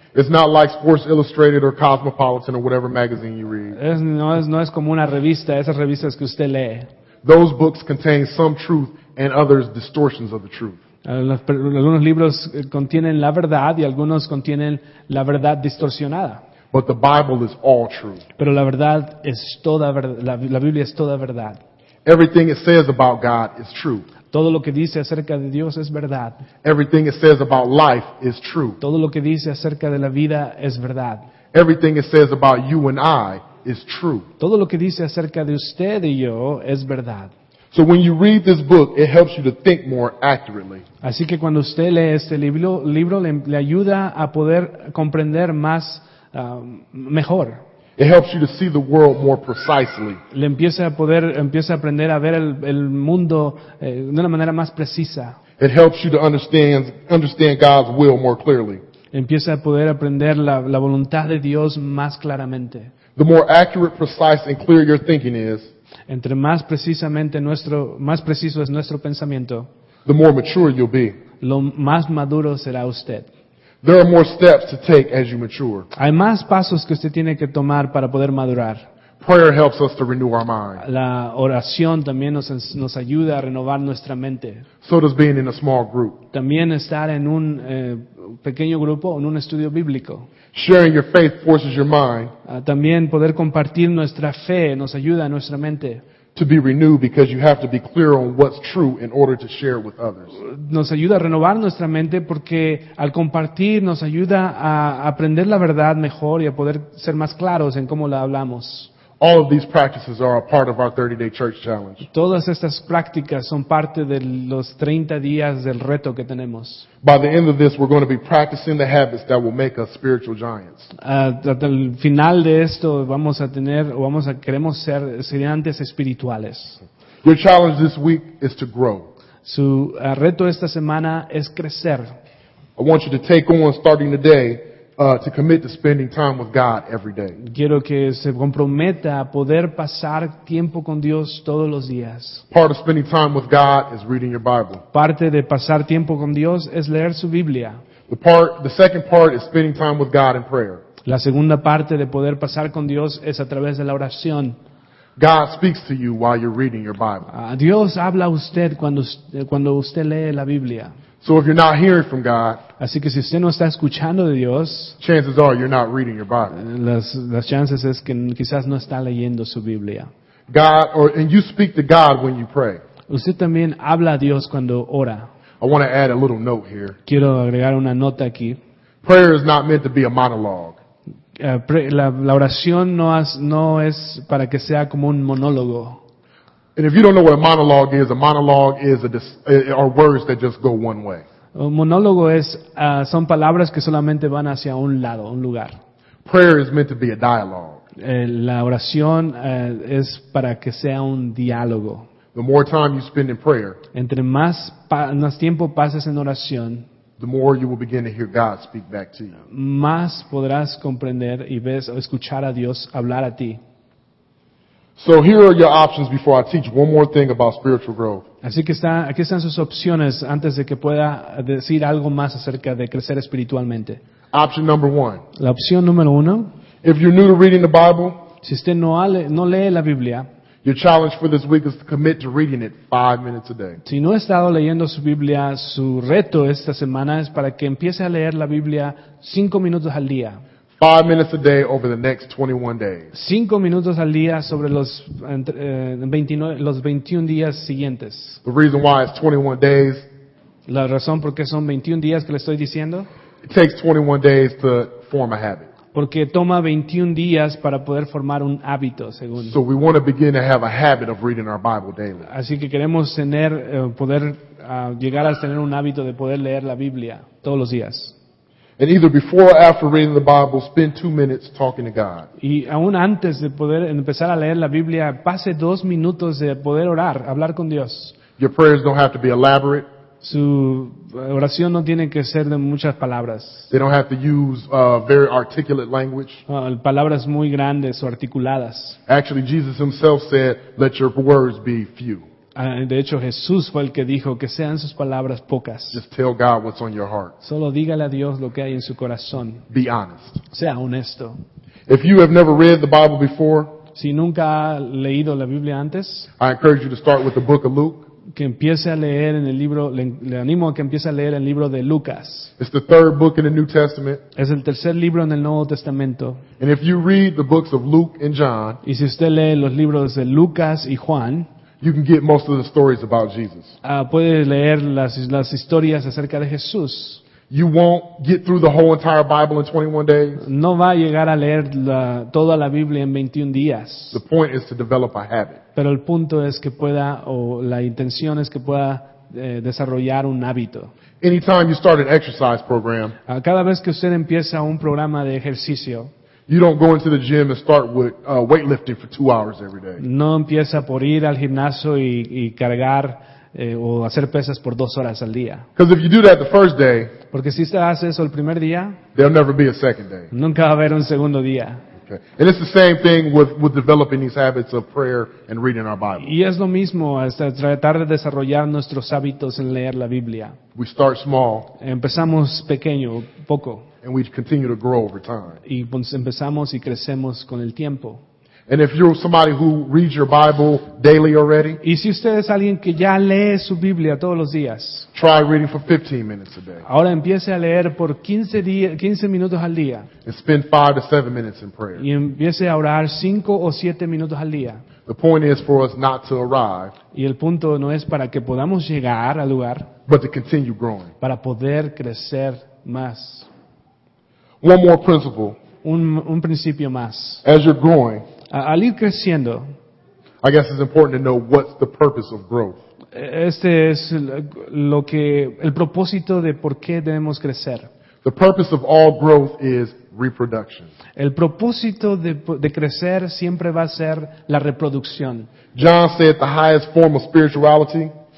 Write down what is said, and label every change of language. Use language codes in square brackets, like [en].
[en] It's not like Sports Illustrated or Cosmopolitan or whatever magazine you read. [es] No es como una revista, esas revistas que usted lee. [en] Those books contain some truth and others distortions of the truth. [es] Algunos libros contienen la verdad y algunos contienen la verdad distorsionada. [en] But the Bible is all truth. [es] Pero la verdad es toda la Biblia es toda verdad. [en] Everything it says about God is true. [es] Todo lo que dice acerca de Dios es verdad. [en] Everything it says about life is true. [es] Todo lo que dice acerca de la vida es verdad. [en] Everything it says about you and I is true. [es] Todo lo que dice acerca de usted y yo es verdad. [en] So when you read this book, it helps you to think more accurately. [es] Así que cuando usted lee este libro le ayuda a poder comprender más mejor. [en] It helps you to see the world more precisely. [es] Empieza a aprender a ver el mundo de una manera más precisa. [en] It helps you to understand God's will more clearly. [es] Empieza a poder aprender la voluntad de Dios más claramente. [en] The more accurate, precise, and clear your thinking is, [es] entre más precisamente más preciso es nuestro pensamiento, [en] the more mature you'll be. [es] Lo más maduro será usted. [en] There are more steps to take as you mature. [es] Hay más pasos que usted tiene que tomar para poder madurar. [en] Prayer helps us to renew our mind. [es] La oración también nos ayuda a renovar nuestra mente. [en] So does being in a small group. [es] También estar en un pequeño grupo o en un estudio bíblico. [en] Sharing your faith forces your mind. [es] También poder compartir nuestra fe nos ayuda a nuestra mente. [en] To be renewed because you have to be clear on what's true in order to share with others. [es] Nos ayuda a renovar nuestra mente porque al compartir nos ayuda a aprender la verdad mejor y a poder ser más claros en cómo la hablamos. [en] All of these practices are a part of our 30-day church challenge. [es] Todas estas prácticas son parte de los 30 días del reto que tenemos. [en] By the end of this, we're going to be practicing the habits that will make us spiritual giants. [es] Hasta el final de esto queremos ser gigantes espirituales. [en] Your challenge this week is to grow. [es] Su reto esta semana es crecer. [en] I want you to take on starting today. To commit to spending time with God every day. [es] Quiero que se comprometa a poder pasar tiempo con Dios todos los días. [en] Part of spending time with God is reading your Bible. [es] Parte de pasar tiempo con Dios es leer su Biblia. [en] The second part is spending time with God in prayer. [es] La segunda parte de poder pasar con Dios es a través de la oración. [en] God speaks to you while you're reading your Bible. [es] Dios habla a usted cuando usted lee la Biblia. [en] So if you're not hearing from God, [es] así que si usted no está escuchando de Dios, [en] chances are you're not reading your Bible. [es] Las chances es que quizás no está leyendo su Biblia. [en] And you speak to God when you pray. [es] Usted también habla a Dios cuando ora. [en] I want to add a little note here. [es] Quiero agregar una nota aquí. [en] Prayer is not meant to be a monologue. [es] La oración no es para que sea como un monólogo. [en] And if you don't know what a monologue is are words that just go one way. [es] Un monólogo es son palabras que solamente van hacia un lado, un lugar. [en] Prayer is meant to be a dialogue. [es] La oración es para que sea un diálogo. [en] The more time you spend in prayer, [es] entre más tiempo pases en oración, [en] the more you will begin to hear God speak back to you. [es] Más podrás comprender y ves o escuchar a Dios hablar a ti. [en] So here are your options before I teach one more thing about spiritual growth. [es] Así que aquí están sus opciones antes de que pueda decir algo más acerca de crecer espiritualmente. [en] Option number one. [es] La opción número uno. [en] If you're new to reading the Bible, [es] si usted no lee la Biblia, [en] your challenge for this week is to commit to reading it 5 minutes a day. [es] Si no ha estado leyendo su Biblia, su reto esta semana es para que empiece a leer la Biblia 5 minutos al día. [en] 5 minutes a day over the next 21 days. [es] 5 minutos al día sobre los 29, los 21 días siguientes. [en] The reason why it's 21 days. [es] La razón por qué son 21 días que le estoy diciendo. [en] It takes 21 days to form a habit. [es] Porque toma 21 días para poder formar un hábito, según. [en] So we want to begin to have a habit of reading our Bible daily. [es] Así que queremos tener poder llegar a tener un hábito de poder leer la Biblia todos los días. [en] And either before or after reading the Bible, spend 2 minutes talking to God. [es] Y aún antes de poder empezar a leer la Biblia, pase 2 minutos de poder orar, hablar con Dios. [en] Your prayers don't have to be elaborate. [es] Su oración no tiene que ser de muchas palabras. [en] They don't have to use very articulate language. [es] Palabras muy grandes o articuladas. [en] Actually, Jesus himself said, "Let your words be few." [es] De hecho, Jesús fue el que dijo que sean sus palabras pocas. [en] Just tell God what's on your heart. [es] Solo dígale a Dios lo que hay en su corazón. [en] Be honest. [es] Sea honesto. [en] If you have never read the Bible before, [es] si nunca ha leído la Biblia antes, [en] I encourage you to start with the book of Luke. [es] Que empiece a leer en el libro, le animo a que empiece a leer el libro de Lucas. [en] It's the third book in the New Testament. [es] Es el tercer libro en el Nuevo Testamento. [en] And if you read the books of Luke and John, [es] y si usted lee los libros de Lucas y Juan, [en] you can get most of the stories about Jesus. [es] Puede leer las historias acerca de Jesús. [en] You won't get through the whole entire Bible in 21 days. [es] No va a llegar a leer toda la Biblia en 21 días. [en] The point is to develop a habit. [es] Pero el punto es que pueda, o la intención es que pueda desarrollar un hábito. [en] Anytime you start an exercise program, [es] cada vez que usted empieza un programa de ejercicio, [en] you don't go into the gym and start with weightlifting for 2 hours every day. [es] No empieza por ir al gimnasio y cargar o hacer pesas por 2 horas al día. [en] Because if you do that the first day, [es] porque si usted hace eso el primer día, [en] there'll never be a second day. [es] Nunca va a haber un segundo día. [en] Okay. And it's the same thing with developing these habits of prayer and reading our Bible. [es] Y es lo mismo hasta tratar de desarrollar nuestros hábitos en leer la Biblia. [en] We start small. [es] Empezamos pequeño, poco. [en] And we continue to grow over time. [es] Y empezamos y crecemos con el tiempo. [en] And if you're somebody who reads your Bible daily already, [es] y si usted es alguien que ya lee su Biblia todos los días, [en] try reading for 15 minutes a day. [es] Ahora empiece a leer por 15 minutos al día. [en] And spend 5 to 7 minutes in prayer. [es] Y empiece a orar 5 o 7 minutos al día. [en] The point is for us not to arrive. [es] Y el punto no es para que podamos llegar al lugar, [en] but to continue growing. [es] Para poder crecer más. [en] One more principle. [es] Un principio más. [en] As you're growing, [es] al ir creciendo, [en] I guess it's important to know what's the purpose of growth. [es] Este es lo que el propósito de por qué debemos crecer. [en] The purpose of all growth is reproduction. [es] El propósito de crecer siempre va a ser la reproducción. [en] John said the highest form of spirituality.